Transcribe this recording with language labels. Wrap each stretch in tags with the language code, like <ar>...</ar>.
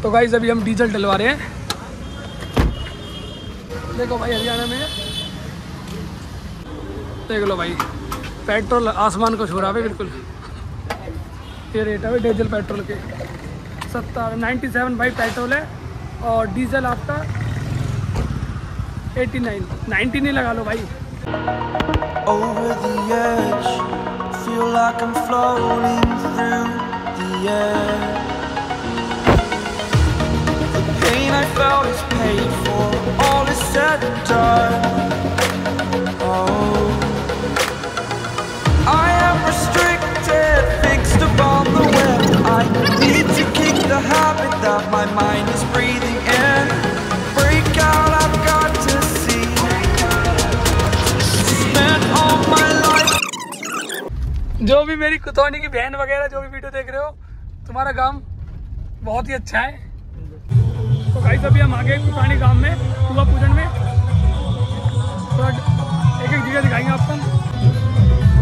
<hi>तो गाइस अभी हम डीजल डलवा रहे हैं, देखो भाई हरियाणा में देख लो भाई पेट्रोल आसमान को छू रहा है बिल्कुल, ये रेट है डीजल पेट्रोल के 97 भाई पेट्रोल है और डीजल आपका 89 नहीं लगा लो भाई।</hi> <en>Over the edge, feel like I'm floating through the air. The pain I felt is paid for, all is said and done. Oh, I am restricted, fixed upon the web. I need to kick the habit that my mind is breathing in. Break out, I've got to see. Spend all my</en> <hi>जो भी मेरी कुतौनी की बहन वगैरह जो भी video देख रहे हो, तुम्हारा गांव बहुत ही अच्छा है। तो गाइस अभी हम आ गए कुतौनी गांव में कुआ पूजन में, थोड़ा एक एक जगह दिखाएंगे आपको।</hi>